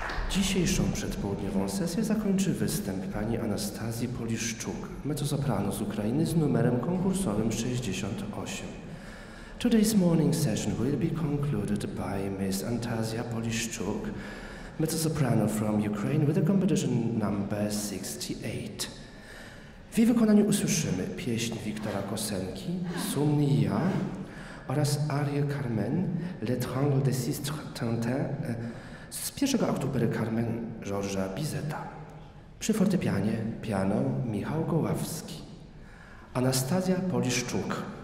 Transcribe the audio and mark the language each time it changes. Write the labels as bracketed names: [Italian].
[Polish] Dzisiejszą przedpołudniową sesję zakończy występ pani Anastazji Poliszczuk, mezzosoprano z Ukrainy z numerem konkursowym 68. [English] Today's morning session will be concluded by Miss Anastazja Poliszczuk, mezzosoprano from Ukraine with a competition number 68. [Polish] W jej wykonaniu usłyszymy pieśń Wiktora Kosenki, Sumni Ja oraz arię Carmen, Le Triangle des Six Tintins, z pierwszego aktu opery Carmen Georgesa Bizeta. Przy fortepianie, piano Michał Goławski. Anastazja Poliszczuk.